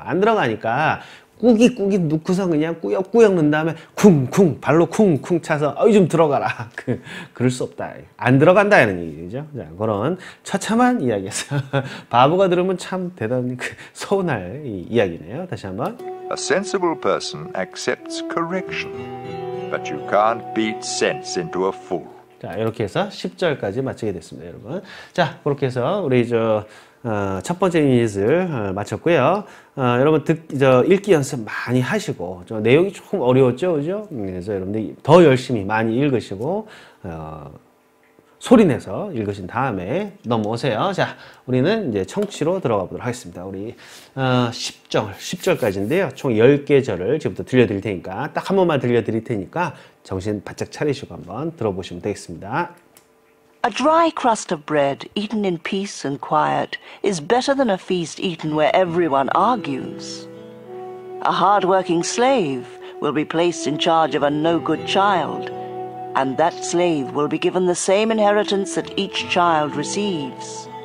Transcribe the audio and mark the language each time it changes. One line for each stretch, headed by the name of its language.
Korean: 안 들어가니까 꾸깃꾸깃 넣고서 그냥 꾸역꾸역 넣은 다음에 쿵쿵 발로 쿵쿵 차서 어이 좀 들어가라. 그럴 수 없다. 안 들어간다 이런 얘기죠. 자, 그런 처참한 이야기였어요. 바보가 들으면 참 대단히 서운할 이야기네요. 다시 한번. A sensible person accepts correction, but you can't beat sense into a fool. 자, 이렇게 해서 10절까지 마치게 됐습니다, 여러분. 자, 그렇게 해서 우리 저 첫 번째 유닛을 마쳤고요. 여러분 저 읽기 연습 많이 하시고 저 내용이 조금 어려웠죠, 그죠? 그래서 여러분들 더 열심히 많이 읽으시고 소리 내서 읽으신 다음에 넘어오세요. 자, 우리는 이제 청취로 들어가 보도록 하겠습니다. 우리 10절까지인데요. 총 10개 절을 지금부터 들려드릴 테니까 딱 한 번만 들려드릴 테니까 정신 바짝 차리시고 한번 들어보시면 되겠습니다.
English: A dry crust of bread eaten in peace and quiet is better than a feast eaten where everyone argues. A hard-working slave will be placed in charge of a no-good child, and that slave will be given the same inheritance that each child receives.